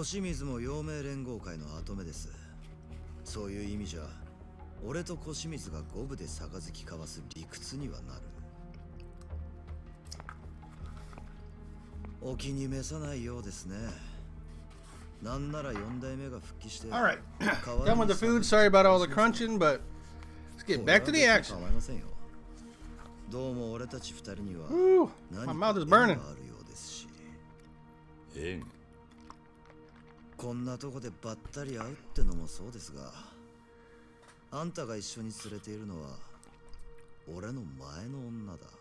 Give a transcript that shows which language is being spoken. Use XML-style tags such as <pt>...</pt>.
<ja>越水も陽明連合会の跡目です。そういう意味じゃ俺と越水が五分で杯交わす理屈にはなる。お気に召さないようですね。なんなら四代目が復帰して</ja> <en>All right. Done with the food. Sorry about all the crunching, but let's get back to the action.</en> <ja>構いませんよ。どうも俺たち二人には何か縁があるようですし。縁？こんなとこでばったり会うってのもそうですが、あんたが一緒に連れているのは俺の前の女だ。</ja>